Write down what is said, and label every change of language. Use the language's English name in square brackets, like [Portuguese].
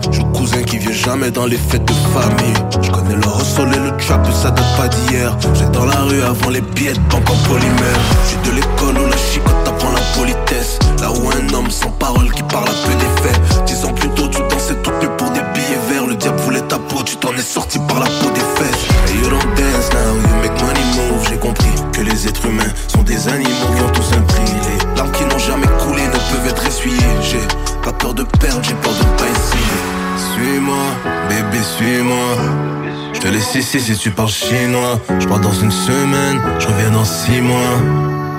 [French] J'ai un cousin qui vient jamais dans les fêtes de famille. Je connais le hustle et le trap, ça date pas d'hier. J'étais dans la rue avant les billets de banque en polymère. J'suis de l'école où la chicote apprend la politesse. Là où un homme sans parole qui parle à peu d'effet. 10 ans plus tôt tu dansais toute nuit pour des billets verts. Le diable voulait ta peau, tu t'en es sorti par la peau des fesses. [English] Hey, you don't dance now, you make money move. [French] J'ai compris que les êtres humains sont des animaux qui ont tous un prix. Les larmes qui n'ont jamais coulé ne peuvent être essuyées. J'ai pas peur de perdre, j'ai peur de pas essayer. Suis-moi, bébé, suis-moi. Je te laisse ici si tu parles chinois. Je pars dans une semaine, je reviens dans 6 mois.